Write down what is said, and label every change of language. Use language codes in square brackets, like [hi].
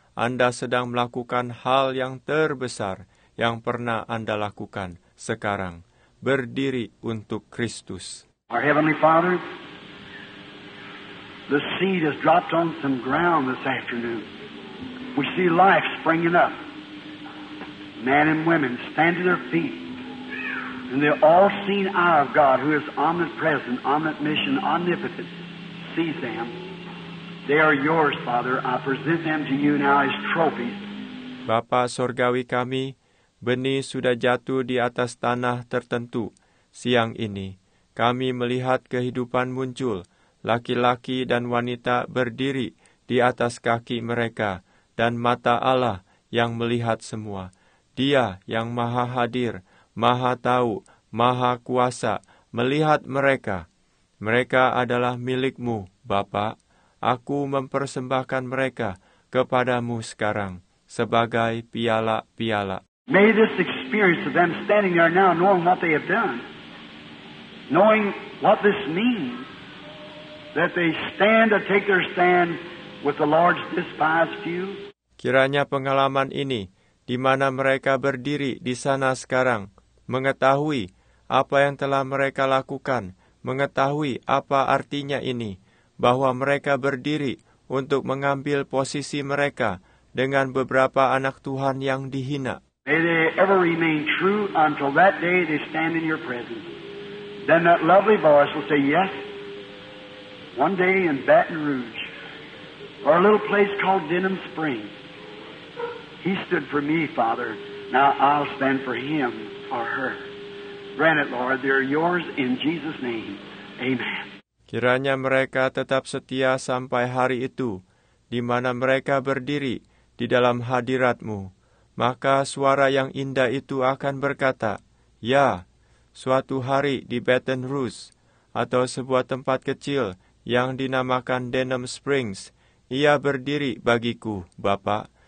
[id] Anda sedang melakukan hal yang terbesar yang pernah Anda lakukan sekarang. Berdiri untuk Kristus. [en] Our Heavenly Father, the seed has dropped on some ground this afternoon. We see life springing up. Men and women stand to their feet. And the all-seeing eye of God, who is omnipresent, omniscient, omnipotent, sees them. They are yours, Father. I present them to you now as trophies. [id] Bapa Sorgawi kami, benih sudah jatuh di atas tanah tertentu. Siang ini, kami melihat kehidupan muncul. Laki-laki dan wanita berdiri di atas kaki mereka, dan mata Allah yang melihat semua. Dia yang maha hadir, maha tahu, maha kuasa, melihat mereka. Mereka adalah milik-Mu, Bapa. Aku mempersembahkan mereka kepada-Mu sekarang sebagai piala-piala. [en] May this experience of them standing there now, knowing what they have done, knowing what this means, that they stand to take their stand with the Lord's despised few. [id] Kiranya pengalaman ini, di mana mereka berdiri di sana sekarang, mengetahui apa yang telah mereka lakukan, mengetahui apa artinya ini, bahwa mereka berdiri untuk mengambil posisi mereka dengan beberapa anak Tuhan yang dihina. [en] May they ever remain true until that day they stand in your presence. Then that lovely voice will say, yes, one day in Baton Rouge, or a little place called Denham Spring, he stood for me, Father. Now I'll stand for him or her. Grant it, Lord. They're yours in Jesus' name. Amen. [id] Kiranya mereka tetap setia sampai hari itu. di mana mereka berdiri di dalam hadirat-Mu, maka suara yang indah itu akan berkata, ya, suatu hari di Baton Rouge, atau sebuah tempat kecil yang dinamakan Denham Springs, ia berdiri bagiku, Bapa.